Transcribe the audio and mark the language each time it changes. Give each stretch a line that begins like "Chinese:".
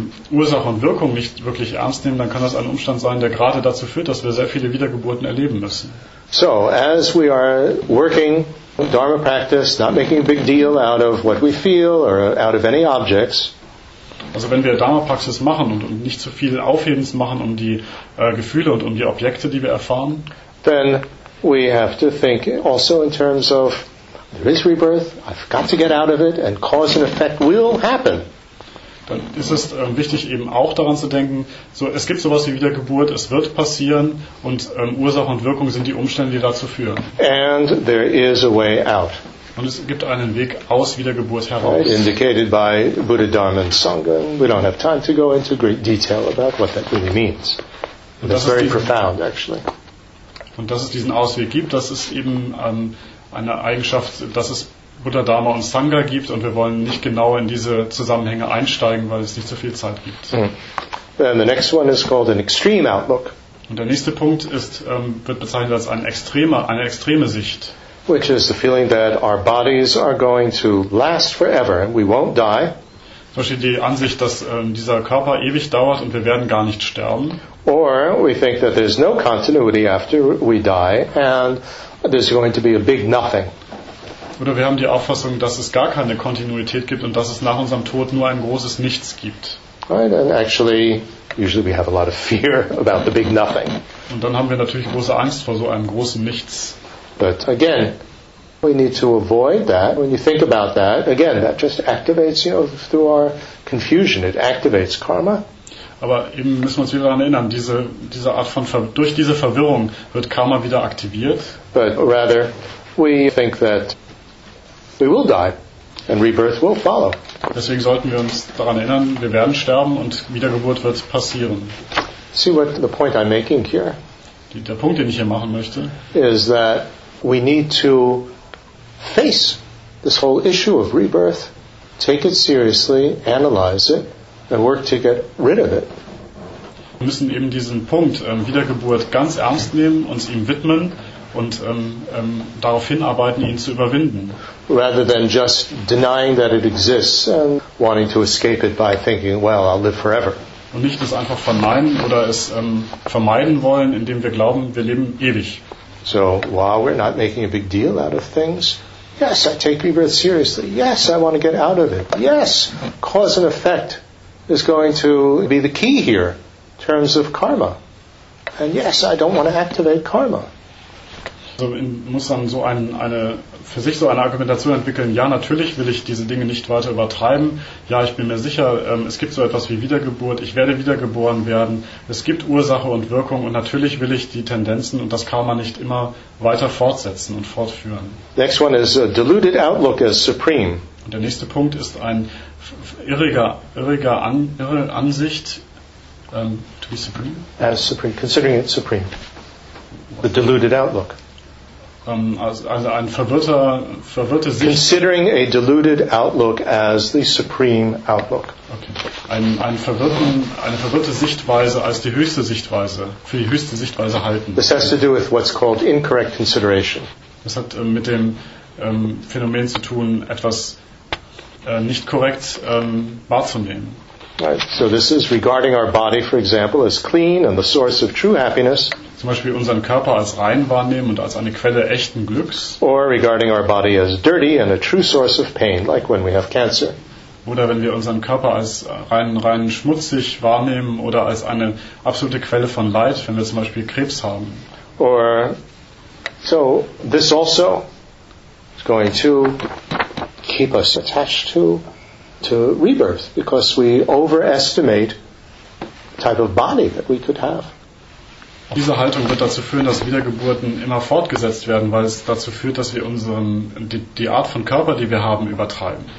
German: Ursache und Wirkung nicht wirklich ernst nehmen, dann kann das ein Umstand sein, der gerade dazu führt, dass wir sehr viele Wiedergeburten erleben müssen.
English: So, as we are working Dharma practice, not making a big deal out of what we feel or out of any objects.
German: Also wenn wir Dharma-Praxis machen und nicht zu viel Aufhebens machen um die Gefühle und um die Objekte, die wir erfahren.
English: Then we have to think also in terms of there is rebirth, I've got to get out of it and cause and effect will happen.
German: Dann ist es wichtig eben auch daran zu denken, so es gibt sowas wie Wiedergeburt, es wird passieren und Ursache und Wirkung sind die Umstände, die dazu führen.
English: And there is a way out.
German: Und es gibt einen Weg aus Wiedergeburt heraus.
English: Indicated by Buddha, Dharma and Sangha. We don't have time to go into great detail about what that really means. That's very profound actually.
German: Und dass es diesen Ausweg gibt, das ist eben eine Eigenschaft, dass es Buddha, Dharma und Sangha gibt und wir wollen nicht genau in diese Zusammenhänge einsteigen, weil es nicht so viel Zeit gibt.
English: Then the next one is called an extreme outlook.
German: Und der nächste Punkt wird bezeichnet als eine extreme Sicht.
English: which is the feeling that our bodies are going to last forever and we won't die.
German: Zum Beispiel die Ansicht, dass dieser Körper ewig dauert und wir werden gar nicht sterben.
English: Or we think that there's no continuity after we die and there's going to be a big nothing.
German: Oder wir haben die Auffassung, dass es gar keine Kontinuität gibt und dass es nach unserem Tod nur ein großes Nichts gibt.
English: Right, and actually, usually we have a lot of fear about the big nothing.
German: Und dann haben wir natürlich große Angst vor so einem großen Nichts.
English: But again, we need to avoid that. When you think about that, again, that just activates, you know, through our confusion, it activates karma.
German: Aber eben müssen wir uns wieder daran erinnern, diese Art von durch diese Verwirrung wird Karma wieder aktiviert.
English: But rather, we think that we will die, and rebirth will follow.
German: Deswegen sollten wir uns daran erinnern, wir werden sterben und Wiedergeburt wird passieren.
English: See what the point I'm making here?
German: Der Punkt, den ich hier machen möchte,
English: is that we need to face this whole issue of rebirth, take it seriously, analyze it, and work to get rid of it.
German: Wir müssen eben diesen Punkt Wiedergeburt ganz ernst nehmen, uns ihm widmen und darauf hinarbeiten, ihn zu überwinden.
English: Rather than just denying that it exists and wanting to escape it by thinking, well, I'll live forever.
German: Und nicht es einfach verneinen oder es vermeiden wollen, indem wir glauben, wir leben ewig.
English: So, while we're not making a big deal out of things, yes, I take rebirth seriously. Yes, I want to get out of it. Yes, cause and effect is going to be the key here in terms of karma. And yes, I don't want to activate karma.
German: Also muss dann so eine für sich so eine Argumentation entwickeln. Ja, natürlich will ich diese Dinge nicht weiter übertreiben. Ja, ich bin mir sicher, es gibt so etwas wie Wiedergeburt. Ich werde wiedergeboren werden. Es gibt Ursache und Wirkung und natürlich will ich die Tendenzen und das Karma nicht immer weiter fortsetzen und fortführen.
English: Next one is a deluded outlook as supreme.
German: Und der nächste Punkt ist ein irre Ansicht
English: to be supreme. As supreme, considering it supreme. The deluded outlook.
German: Also ein verwirrte Sicht.
English: Considering a deluded outlook as the supreme outlook. Okay.
German: Eine verwirrte Sichtweise als die höchste Sichtweise, für die höchste Sichtweise halten.
English: This has to do with what's called incorrect consideration.
German: Das hat mit dem Phänomen zu tun, etwas nicht korrekt wahrzunehmen.
English: Right. So this is regarding our body, for example, as clean and the source of true happiness.
German: Zum Beispiel unseren Körper als rein wahrnehmen und als eine Quelle echten Glücks.
English: Or regarding our body as dirty and a true source of pain, like when we have cancer.
German: Oder wenn wir unseren Körper als rein schmutzig wahrnehmen oder als eine absolute Quelle von Leid, wenn wir zum Beispiel Krebs haben.
English: Or so this also is going to keep us attached to rebirth, because we overestimate the type of body that we could have.
German: Diese Haltung wird dazu führen, dass Wiedergeburten immer fortgesetzt werden, weil es dazu führt, dass wir unseren die Art von Körper, die wir haben, übertreiben.